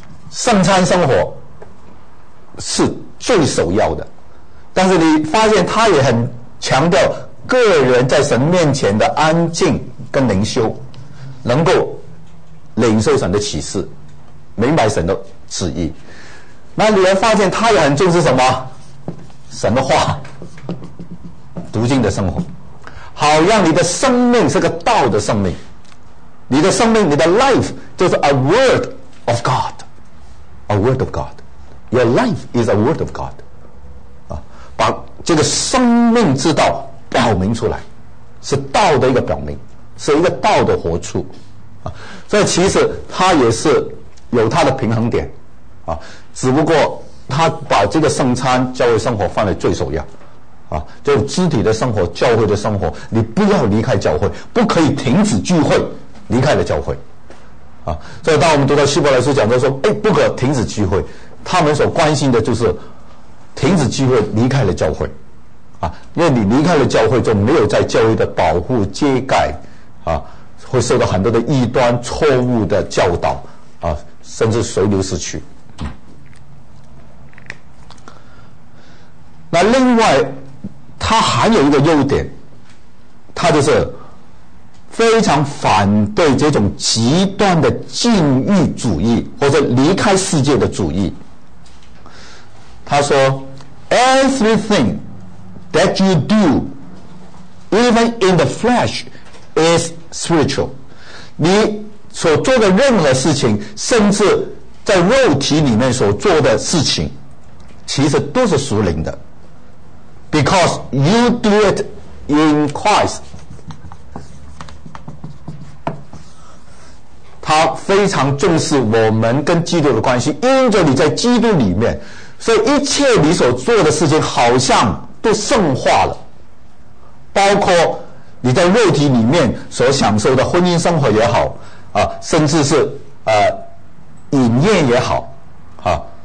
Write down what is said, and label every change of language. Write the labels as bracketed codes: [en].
[zh] 圣餐生活是最首要的，但是你发现他也很强调个人在神面前的安静跟灵修，能够领受神的启示，明白神的旨意。那你会发现他也很重视什么？神的话，读经的生活，好让你的生命是个道的生命。你的生命，你的 [en] life [zh] 就是 [en] a word of God， a word of God， your life is a word of God。 [zh] 把这个生命之道表明出来，是道的一个表明，是一个道的活出啊。所以其实他也是有他的平衡点啊，只不过他把这个圣餐教会生活放在最首要啊，就肢体的生活、教会的生活，你不要离开教会，不可以停止聚会，离开了教会啊。所以当我们读到希伯来书讲到说，哎，不可停止聚会，他们所关心的就是停止聚会，离开了教会啊，因为你离开了教会，就没有在教会的保护接盖啊，会受到很多的异端错误的教导啊，甚至随流失去。那另外他还有一个优点，他就是非常反对这种极端的禁欲主义或者离开世界的主义。他说 [en] Everything that you do, even in the flesh, is spiritual. [zh] 你所做的任何事情，甚至在肉体里面所做的事情，其实都是属灵的。 [en] Because you do it in Christ. [zh] 他非常重视我们跟基督的关系，因着你在基督里面，所以一切你所做的事情好像都圣化了，包括你在肉体里面所享受的婚姻生活也好啊，甚至是饮宴也好啊，